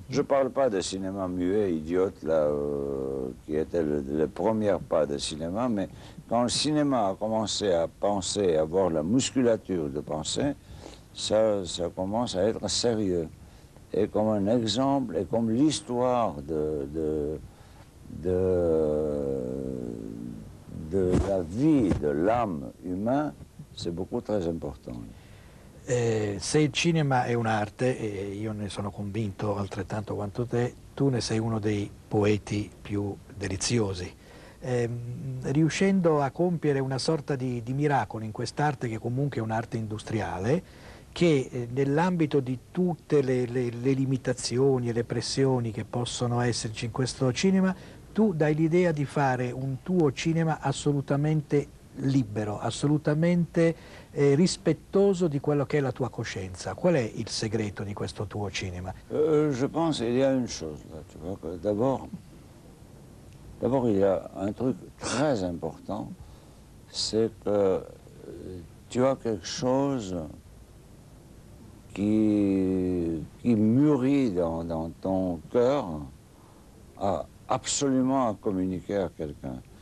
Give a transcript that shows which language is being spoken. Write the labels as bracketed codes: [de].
[fr] Je parle pas de cinéma muet, idiote, là, qui était le premier pas de cinéma, mais quand le cinéma a commencé à penser, à avoir la musculature de penser, ça commence à être sérieux. Et comme un exemple, et comme l'histoire de la vie, de l'âme humaine, c'est beaucoup très important. [it] Se il cinema è un'arte, e io ne sono convinto altrettanto quanto te, tu ne sei uno dei poeti più deliziosi. riuscendo a compiere una sorta di miracolo in quest'arte che comunque è un'arte industriale, che nell'ambito di tutte le limitazioni e le pressioni che possono esserci in questo cinema, tu dai l'idea di fare un tuo cinema assolutamente libero, assolutamente rispettoso di quello che è la tua coscienza. Qual è il segreto di questo tuo cinema? [fr] Je pense qu'il y a une chose là, tu vois, que d'abord il y a un truc très important, c'est que tu as quelque chose qui mûrit dans ton cœur absolument à communiquer à quelqu'un.